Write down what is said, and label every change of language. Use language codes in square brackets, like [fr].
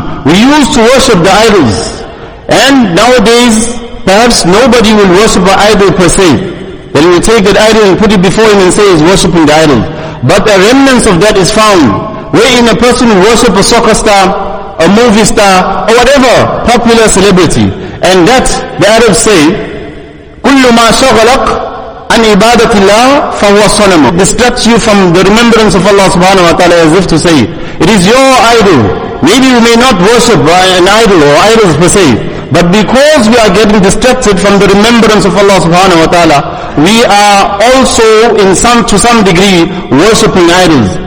[en] We used to worship the idols. And nowadays, perhaps nobody will worship an idol per se. Then we take that idol and put it before him and say he's worshipping the idol. But a remnant of that is found. Wherein a person will worship a soccer star, a movie star, or whatever popular celebrity. And that, the Arabs say, [ar] كُلُّ مَا شَغَلَكْ أَنْ إِبَادَةِ اللَّهِ فَهُوَ صَنَمُ. [en] Distracts you from the remembrance of Allah subhanahu wa ta'ala, as if to say, it is your idol. Maybe you may not worship an idol or idols per se, but because we are getting distracted from the remembrance of Allah subhanahu wa ta'ala, we are also to some degree worshipping idols.